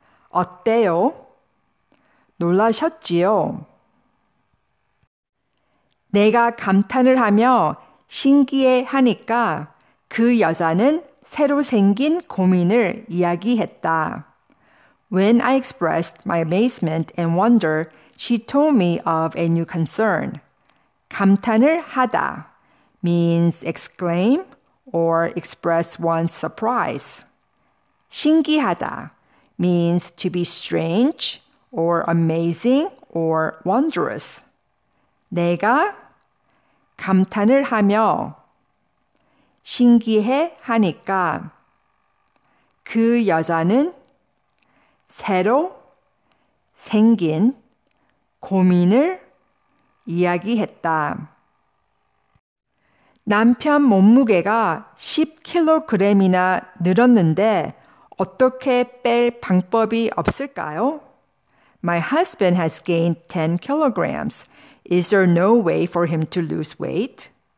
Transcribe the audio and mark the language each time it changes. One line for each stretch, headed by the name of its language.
Korean: 어때요? 놀라셨지요? 내가 감탄을 하며 신기해 하니까 그 여자는 새로 생긴 고민을 이야기했다.
English: When I expressed my amazement and wonder, she told me of a new concern. 감탄을 하다 means exclaim or express one's surprise. 신기하다 means to be strange or amazing or wondrous.
Korean: 내가 감탄을 하며 신기해 하니까 그 여자는 새로 생긴 고민을 이야기했다. 남편 몸무게가 10kg이나 늘었는데 어떻게 뺄 방법이 없을까요?
English: My husband has gained 10 kilograms. Is there no way for him to lose weight?